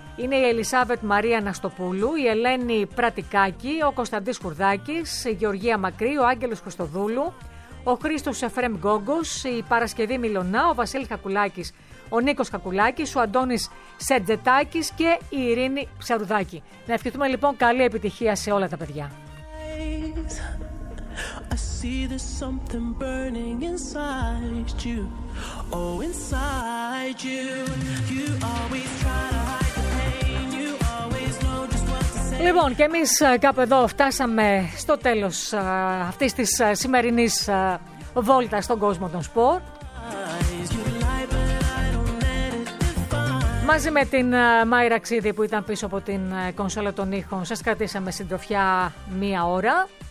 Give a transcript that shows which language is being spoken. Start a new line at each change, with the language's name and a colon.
Greek: Είναι η Ελισάβετ Μαρία Ναστοπούλου, η Ελένη Πρατικάκη, ο Κωνσταντής Χουρδάκης, η Γεωργία Μακρύ, ο Άγγελος Χριστοδούλου, ο Χρήστος Εφρέμ Γκόγκος, η Παρασκευή Μιλωνά, ο Βασίλης Κακουλάκης, ο Νίκος Κακουλάκης, ο Αντώνης Σεντζετάκης και η Ειρήνη Ψαρουδάκη. Να ευχηθούμε λοιπόν καλή επιτυχία σε όλα τα παιδιά.
English: I see there's something burning inside you, oh inside you. You always try to hide the pain, you always know just what to say.
Greek: Λοιπόν, και εμείς κάπου εδώ φτάσαμε στο τέλος αυτής της σημερινής βόλτας στον κόσμο των σπορ. Μαζί με την Μάιρα Ξίδη που ήταν πίσω από την κονσόλα των ήχων, σας κρατήσαμε συντροφιά μία ώρα.